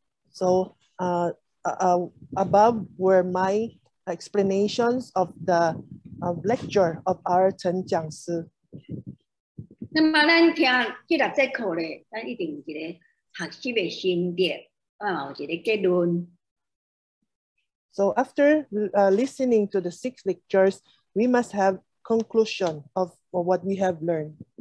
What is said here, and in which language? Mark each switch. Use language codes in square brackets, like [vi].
[en] So above were my explanations of the lecture of our Chen Jiangshi. [nan] 那么咱听这六节课咧，咱一定有一个学习的心得，啊，有一个结论。 [en] So after listening to the 6 lectures, we must have conclusion of what we have learned.